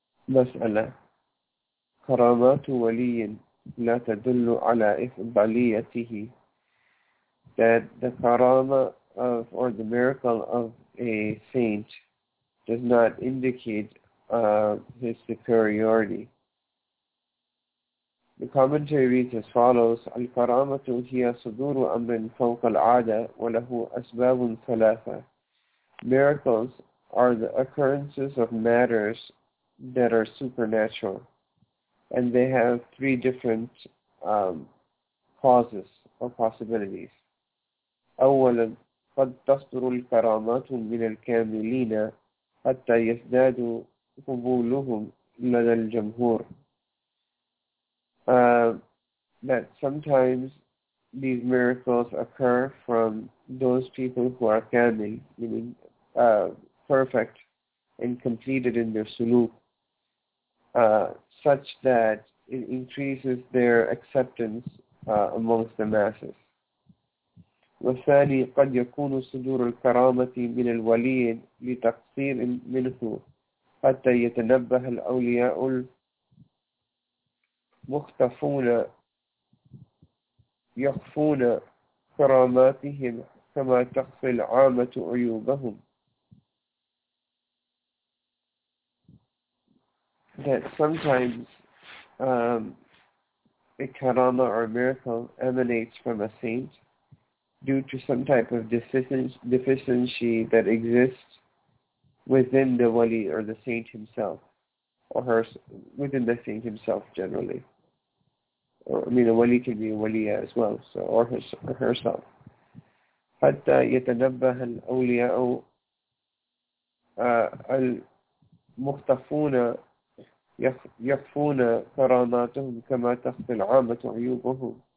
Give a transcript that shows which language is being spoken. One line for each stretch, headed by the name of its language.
Arabic: Mas'ala. Karamatu waliyin la tadullu ala ifdaliyatihi.
English: That the karama of, or the miracle of a saint does not indicate his superiority. The commentary reads as follows:
Arabic: الكرامة هي صدور أمر فوق العادة وله أسباب ثلاثة.
English: Miracles are the occurrences of matters that are supernatural, and they have three different causes or possibilities.
Arabic: أولا قد تصدر الكرامات من الكاملين حتى يزدادوا قبولهم لدى الجمهور.
English: That sometimes these miracles occur from those people who are kamil, meaning perfect and completed in their suluk, such that it increases their acceptance amongst the masses.
Arabic: وثاني قد يكون صدور الكرامة من الولي لتقصير منه حتى يتنبه الأولياء المختفون يخفون كراماتهم كما تخفي العامة عيوبهم.
English: That sometimes a karama or a miracle emanates from a saint due to some type of deficiency that exists within the wali or the saint himself, or her, within the saint himself generally. Or, I mean, a wali can be a waliya as well, so or, his, or herself.
Arabic: حتى يتنبه الأولياء المختفون يخفون كراماتهم كما تخفي العامة عيوبهم.